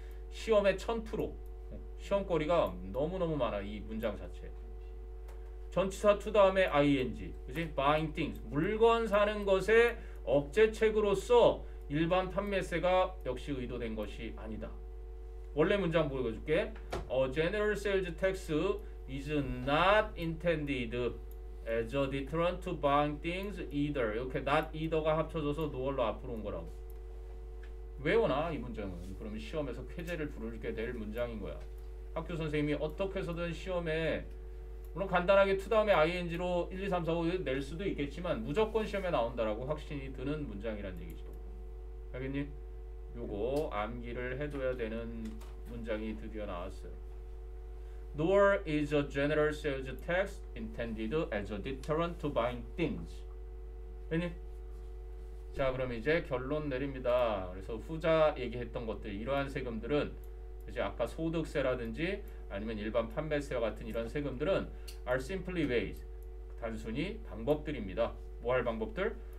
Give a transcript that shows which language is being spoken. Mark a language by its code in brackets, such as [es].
[ko] 시험에 1000% 시험거리가 너무너무 많아. 이 문장 자체 전치사 to 다음에 ing, 그지? [en] buying things, [ko] 물건 사는 것의 억제책으로서 일반 판매세가 역시 의도된 것이 아니다. 원래 문장 보여줄게. [en] A general sales tax is not intended as a deterrent to buying things either. [ko] 이렇게 not either가 합쳐져서 nor로 앞으로 온 거라고. 외워놔 이 문장은. 그러면 시험에서 쾌재를 부르게 될 문장인 거야. 학교 선생님이 어떻게 해서든 시험에 물론 간단하게 to 다음에 ing로 1, 2, 3, 4, 5 낼 수도 있겠지만 무조건 시험에 나온다라고 확신이 드는 문장이란 얘기지. 알겠니? 요거 암기를 해둬야 되는 문장이 드디어 나왔어요. [en] Nor is a general sales tax intended as a deterrent to buying things. [ko] 알겠니? 자, 그럼 이제 결론 내립니다. 그래서 후자 얘기했던 것들, 이러한 세금들은 이제 아까 소득세라든지 아니면 일반 판매세와 같은 이런 세금들은 [en] are simply ways, [ko] 단순히 방법들입니다. 뭐 할 방법들?